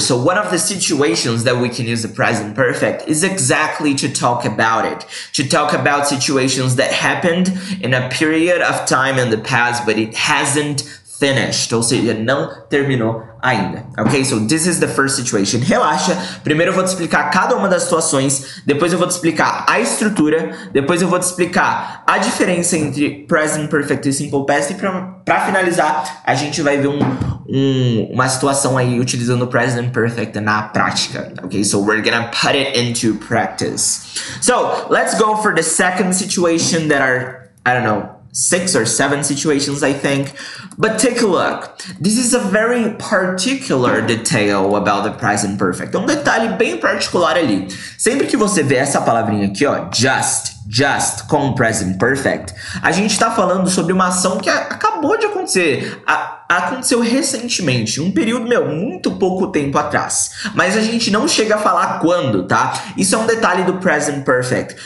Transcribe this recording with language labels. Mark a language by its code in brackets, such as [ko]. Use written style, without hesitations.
[en] So one of the situations that we can use the present perfect is exactly to talk about it. To talk about situations that happened in a period of time in the past, but it hasn't finished. [pt] Ou seja, não terminou ainda. Ok? [en] So this is the first situation. [pt] Relaxa. Primeiro eu vou te explicar cada uma das situações. Depois eu vou te explicar a estrutura. Depois eu vou te explicar a diferença entre present perfect e simple past. E pra finalizar, a gente vai ver uma situação aí utilizando o present perfect na prática. [en] Ok? So we're gonna put it into practice. So let's go for the second situation that are, I don't know, 6 or 7 situations, I think. But take a look. This is a very particular detail about the present perfect. [pt] Um detalhe bem particular ali. Sempre que você vê essa palavrinha aqui, ó, just, com present perfect, a gente tá falando sobre uma ação que acabou de acontecer. Aconteceu recentemente, um período, meu, muito pouco tempo atrás. Mas a gente não chega a falar quando, tá? Isso é um detalhe do present perfect.